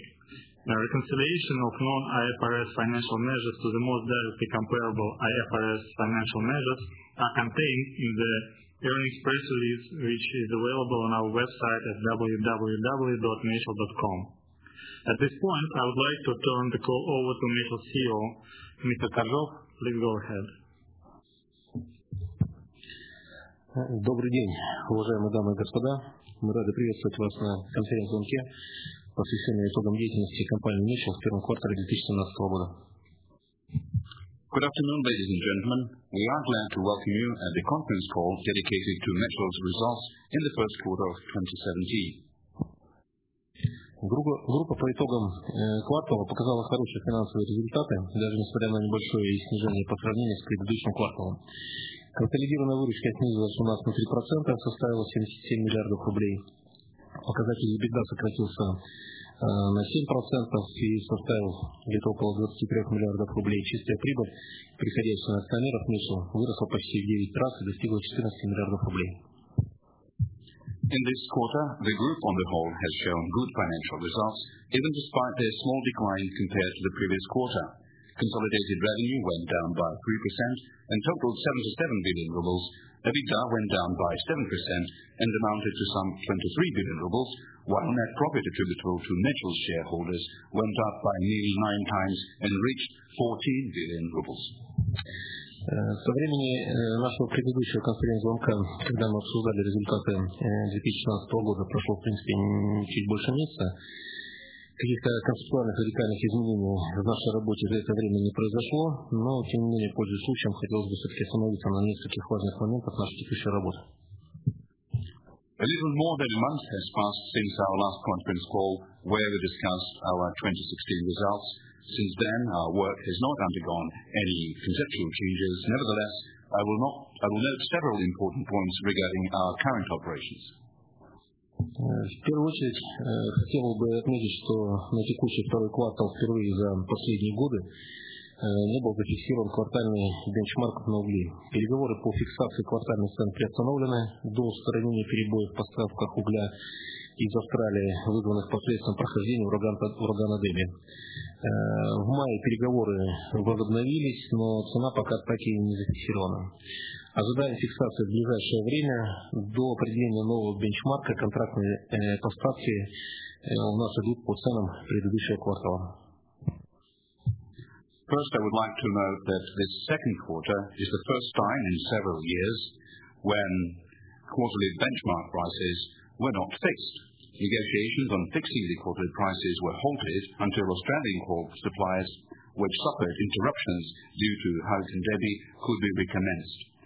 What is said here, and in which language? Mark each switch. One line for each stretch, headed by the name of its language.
English: The reconciliation of non-IFRS financial measures to the most directly comparable IFRS financial measures are contained in the earnings press release, which is available on our website at www.metro.com. At this point, I would like to turn the call over to Metro CEO, Mr. Kordov. Please go ahead.
Russian: Добрый день, уважаемые дамы и господа. Мы рады приветствовать вас на конференц-звонке, посвященной итогам деятельности компании Metro в первом квартале 2017 года.
English: Good afternoon, ladies and gentlemen. We are glad to welcome you at the conference call dedicated to Metro's results in the first quarter of 2017.
Russian: Группа по итогам квартала показала хорошие финансовые результаты, даже несмотря на небольшое снижение по сравнению с предыдущим кварталом. Консолидированная выручка снизилась у нас на 3%, составила 77 миллиардов рублей. Показатель EBITDA сократился на 7% и составил где-то около 23 миллиардов рублей. Чистая прибыль, приходящая на акционеров Metro, выросла почти в 9 раз и достигла 14 миллиардов рублей.
English: In this quarter, the group on the whole has shown good financial results, even despite their small decline compared to the previous quarter. Consolidated revenue went down by 3% and totaled 77 billion rubles, EBITDA went down by 7% and amounted to some 23 billion rubles, while net profit attributable to Metro shareholders went up by nearly 9 times and reached 14 billion rubles.
Russian: Со времени нашего предыдущего конференц-звонка, когда мы обсуждали результаты 2016 года, прошло, в принципе, чуть больше месяца. Каких-то концептуальных радикальных изменений в нашей работе за это время не произошло, но, тем не менее, пользуясь случаем, хотелось бы все-таки остановиться на нескольких важных моментах нашей текущей работы.
English: A little more than a month has passed since our last conference call, where we discussed our 2016 results. Since then, our work has not undergone any conceptual changes. Nevertheless, I will note several important points regarding our current operations.
Russian: В первую очередь, хотел бы отметить, что на текущий второй квартал впервые за последние годы не был зафиксирован квартальный бенчмарк на угли. Переговоры по фиксации квартальных цен приостановлены до устранения перебоев в поставках угля из Австралии, вызванных посредством прохождения урагана Дэми. В мае переговоры возобновились, но цена пока так и не зафиксирована. Ожидаем фиксации в ближайшее время. До определения нового бенчмарка контрактные поставки у нас идут по ценам предыдущего квартала.
English: First, I would like to note that this second quarter is the first time in several years when quarterly benchmark prices were not fixed. Negotiations on fixing the quarterly prices were halted until Australian coal suppliers, which suffered interruptions due to Hurricane Debbie, could be recommenced.